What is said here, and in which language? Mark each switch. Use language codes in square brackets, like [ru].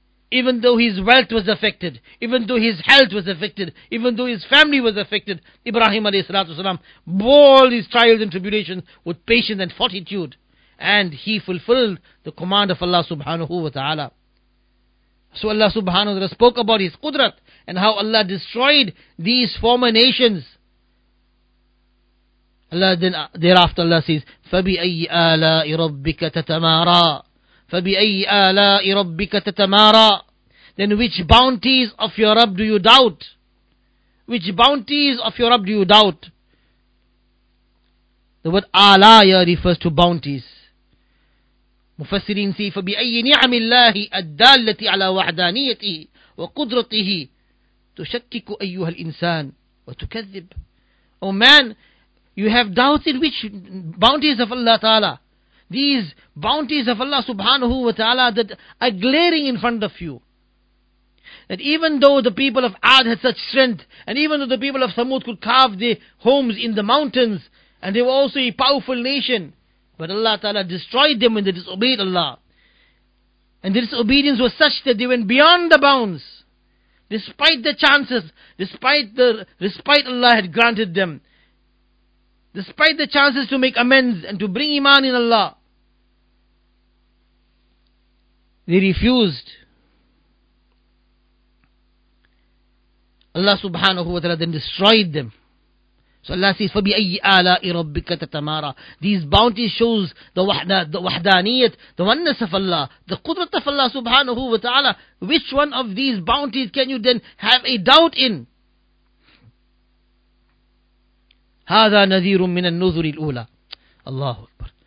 [en] Even though his wealth was affected, even though his health was affected, even though his family was affected, Ibrahim alayhi salatu wasalam bore all his trials and tribulations with patience and fortitude. And he fulfilled the command of Allah Subhanahu Wa Ta'ala. So Allah Subhanahu Wa Ta'ala spoke about his Qudrat and how Allah destroyed these former nations. Allah then thereafter Allah says, [ar] فَبِأَيِّ آلَاءِ رَبِّكَ تَتَمَارَى فَبِأَيِّ آلَاءِ رَبِّكَ تَتَمَارَى. [en] Then which bounties of your Rabb do you doubt? Which bounties of your Rabb do you doubt? The word alaya refers to bounties. Mufassirin say, [ar] فَبِأَيِّ نِعَمِ اللَّهِ أَدَّالَّتِ عَلَىٰ وَحْدَانِيَتِهِ وَقُدْرَتِهِ تُشَكِّكُ أَيُّهَا الْإِنسَانِ وَتُكَذِّبُ. [en] O man, you have doubted which bounties of Allah Ta'ala. These bounties of Allah Subhanahu Wa Ta'ala that are glaring in front of you. That even though the people of Ad had such strength, and even though the people of Thamud could carve their homes in the mountains, and they were also a powerful nation, but Allah Ta'ala destroyed them when they disobeyed Allah. And their disobedience was such that they went beyond the bounds. Despite the chances, despite the respite Allah had granted them, despite the chances to make amends and to bring iman in Allah, they refused. Allah Subhanahu Wa Ta'ala then destroyed them. So Allah says, [ar] فَبِأَيِّ آلَاءِ رَبِّكَ تَتَمَارَى. [en] These bounties shows the wahdaniyat, the oneness of Allah, the qudrat of Allah Subhanahu Wa Ta'ala. Which one of these bounties can you then have a doubt in? [ar] هَذَا نَذِيرٌ مِّنَ النُّذُرِ الْأُولَى. Allahu Akbar.